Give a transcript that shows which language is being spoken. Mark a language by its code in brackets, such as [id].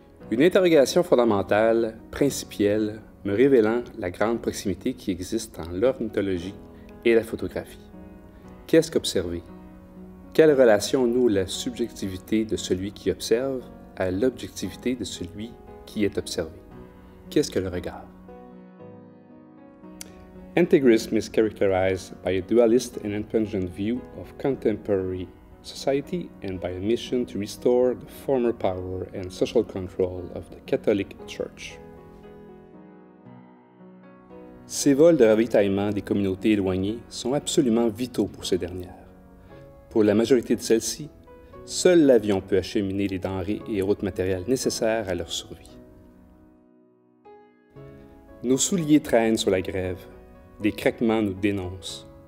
[fr] Une interrogation fondamentale, principielle, me révélant la grande proximité qui existe en l'ornithologie et la photographie. Qu'est-ce qu'observer? Quelle relation noue la subjectivité de celui qui observe à l'objectivité de celui qui est observé? Qu'est-ce que le regard? [en] Integrism is characterized by a dualist and entrenched view of contemporary society and by a mission to restore the former power and social control of the Catholic Church. [fr] Ces vols de ravitaillement des communautés éloignées sont absolument vitaux pour ces dernières. Pour la majorité de celles-ci, seul l'avion peut acheminer les denrées et autres matériels nécessaires à leur survie. Nos souliers traînent sur la grève. Des craquements nous dénoncent.